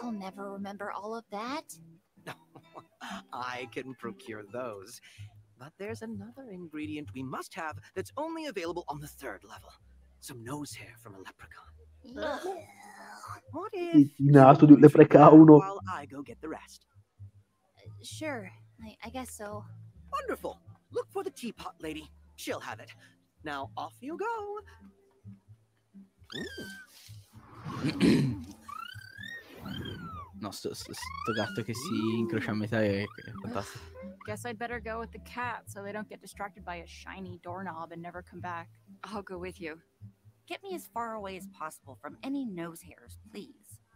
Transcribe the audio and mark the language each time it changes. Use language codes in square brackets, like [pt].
[en] I'll never remember all of that. No, I can procure those. But there's another ingredient we must have that's only available on the third level. Some nose hair from a leprechaun. What is [it] il naso di un leprecauno? [en] While I go get the rest. Sure, I guess so. Wonderful. Look for the teapot lady. She'll have it. Now off you go. [it] No, sto gatto che si incrocia a metà è fantastico. [en] Guess I'd better go with the cat so they don't get distracted by a shiny doorknob and never come back. I'll go with you. Get me as far away as possible from any nose hairs, please.